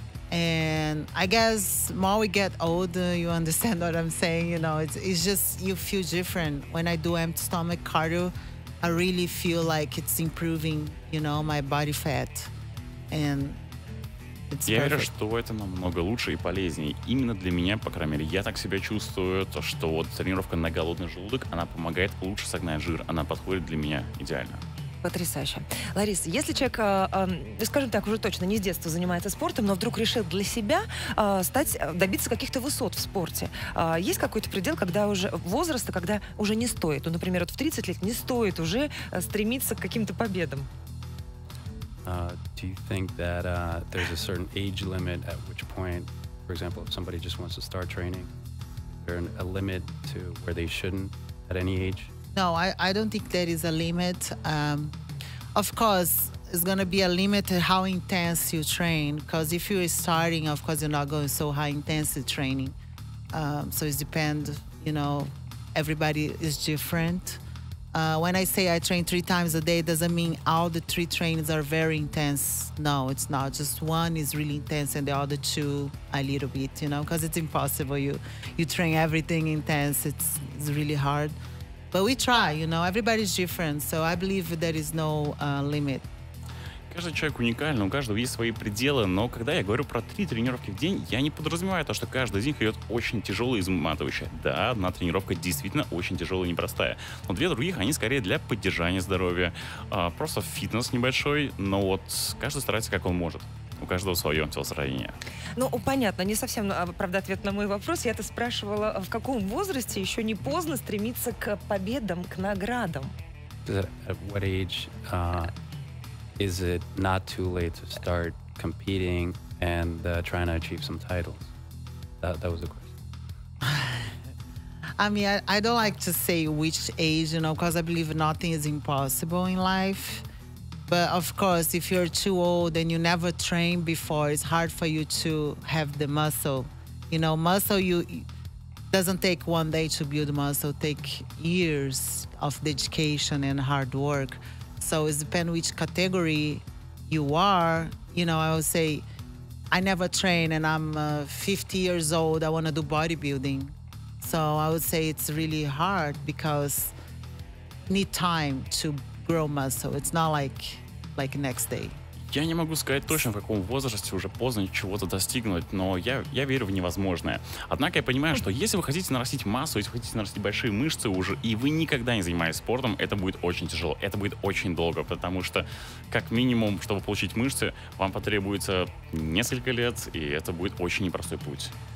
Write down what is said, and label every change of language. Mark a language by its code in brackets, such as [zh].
[en] And I guess more we get older, you understand what I'm saying, you know. It's just you feel different when I do empty stomach cardio. I really feel like it's improving, you know, my body fat. And [ru] Я верю, что это намного лучше и полезнее. Именно для меня, по крайней мере, я так себя чувствую, то, что вот тренировка на голодный желудок, она помогает лучше согнать жир. Она подходит для меня идеально. Потрясающе. Лариса, если человек, скажем так, уже точно не с детства занимается спортом, но вдруг решил для себя добиться каких-то высот в спорте, есть какой-то предел, когда уже возраста, когда уже не стоит? Ну, например, вот в 30 лет не стоит уже стремиться к каким-то победам? [en] Do you think that there's a certain age limit at which point, for example, if somebody just wants to start training, there's a limit to where they shouldn't at any age? No, I don't think there is a limit. Of course, it's going to be a limit to how intense you train, because if you're starting, of course, you're not going so high intensity training. So it depends, you know, everybody is different. When I say I train 3 times a day, it doesn't mean all the 3 trainings are very intense. No, it's not. Just one is really intense and the other 2 a little bit, you know, because it's impossible. You train everything intense. It's really hard. But we try, you know, everybody's different, so I believe there is no limit. [ru] Каждый человек уникален, у каждого есть свои пределы, но когда я говорю про 3 тренировки в день, я не подразумеваю то, что каждый из них идет очень тяжело и изматывающе. Да, одна тренировка действительно очень тяжелая и непростая, но 2 других, они скорее для поддержания здоровья, просто фитнес небольшой, но вот каждый старается как он может. У каждого свое телосложение. Ну, понятно, не совсем, правда, ответ на мой вопрос. Я-то спрашивала, в каком возрасте еще не поздно стремиться к победам, к наградам? [en] At what age is it not too late to start competing and trying to achieve some titles? That was the question. I mean, I don't like to say which age, you know, because I believe nothing is impossible in life. But of course, if you're too old and you never trained before, it's hard for you to have the muscle. You know, muscle, you doesn't take one day to build muscle, take years of dedication and hard work. So it depends which category you are. You know, I would say, I never train and I'm 50 years old, I want to do bodybuilding. So I would say it's really hard because need time to grow muscle. It's not like next day. [ru] Я не могу сказать точно, в каком возрасте уже поздно чего-то достигнуть, но я верю в невозможное. Однако я понимаю, что если вы хотите нарастить массу, если вы хотите нарастить большие мышцы уже, и вы никогда не занимаетесь спортом, это будет очень тяжело, это будет очень долго, потому что как минимум, чтобы получить мышцы, вам потребуется несколько лет, и это будет очень непростой путь.